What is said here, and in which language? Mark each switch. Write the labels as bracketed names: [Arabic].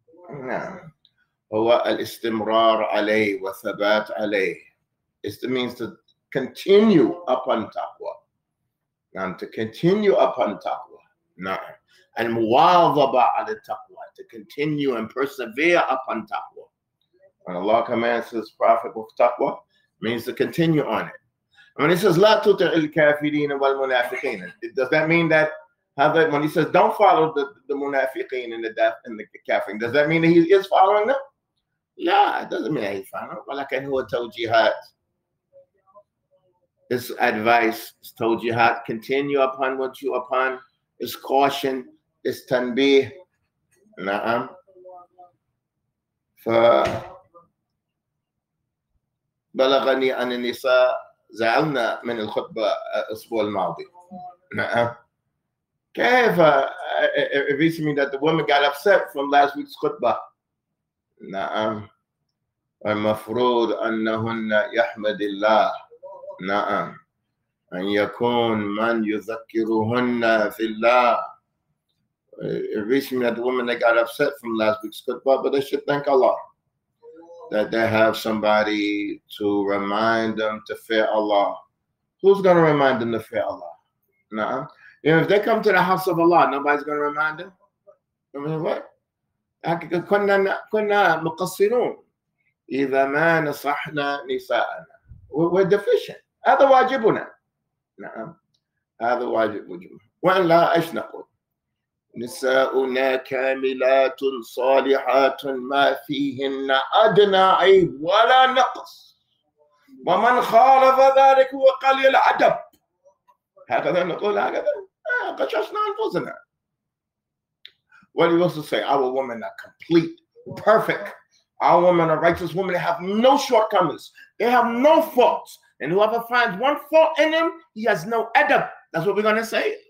[Arabic] نعم. هو الاستمرار عليه وثبات عليه. [English] It means to continue upon taqwa. [Arabic] نعم. [English] To continue upon taqwa. [Arabic] نعم. المواظبة على التقوى. [English] To continue and persevere upon taqwa. When Allah commands His Prophet with taqwa, means to continue on it. When he says [Arabic] لا تطع الكافرين والمنافقين, [English] does that mean that when he says don't follow the منافقين and the كافرين, does that mean that he is following them? لا, it doesn't mean that he's following them. [Arabic] ولكن هو توجيهات. [English] It's advice, it's توجيهات. Continue upon what you upon. It's caution, it's تنبيه. [Arabic] نعم. فبلغني عن النساء زعلنا من الخطبة الأسبوع الماضي. نعم. كيف؟ [English] It used to mean that the women got upset from last week's خطبة. [Arabic] نعم. المفروض أنهن يحمد الله. نعم. أن يكون من يذكرهن في الله. [English] It used to mean that the women, they got upset from last week's خطبة, but they should thank Allah that they have somebody to remind them to fear Allah. Who's going to remind them to fear Allah? Nah. You know, if they come to the house of Allah, nobody's going to remind them. I mean, what? [Arabic] كنا مقصرون إذا ما نصحنا نساءنا. [English] We're deficient. [Arabic] هذا واجبنا. نعم. هذا واجبنا. وإن لا إيش نقول؟ نساؤنا كاملات صالحات ما فيهن أدنى عيب ولا نقص ومن خالف ذلك هو قليل أدب. هكذا نقول، هكذا قشصنا أنفسنا. [English] What do you also say? Our women are complete, perfect. Our women are righteous women. They have no shortcomings. They have no faults. And whoever finds one fault in them, he has no adab. That's what we're going to say.